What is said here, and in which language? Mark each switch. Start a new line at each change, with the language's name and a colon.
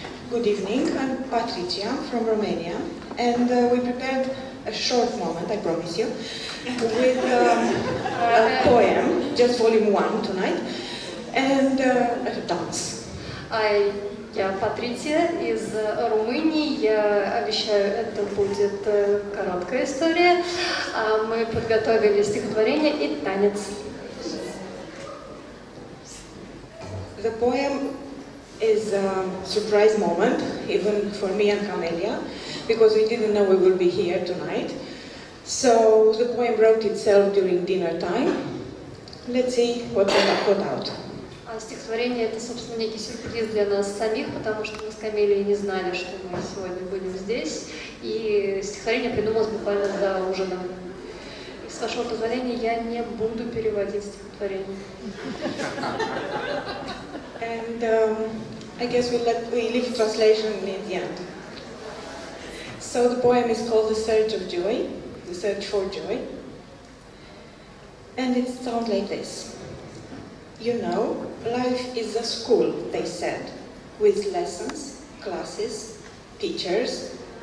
English: Good evening, I'm Patricia from Romania, and we prepared a short moment, I promise you, with a poem, just volume one tonight, and a dance.
Russian: Я Патриция из Румынии. Я обещаю, это будет короткая история. Мы подготовили стихотворение и танец.
English: The poem is a surprise moment, even for me and Camelia, because we didn't know we would be here tonight. So the poem wrote itself during dinner time. Let's see what we have got out.
Russian: Стихотворение — это, собственно, некий сюрприз для нас самих, потому что мы с Камелией не знали, что мы сегодня будем здесь. И стихотворение придумалось буквально за ужином. И с вашего позволения я не буду переводить стихотворение.
English: And I guess we leave translation in the end. So the poem is called The Search of Joy, The Search for Joy. And it sounds like this. You know, life is a school, they said, with lessons, classes, teachers.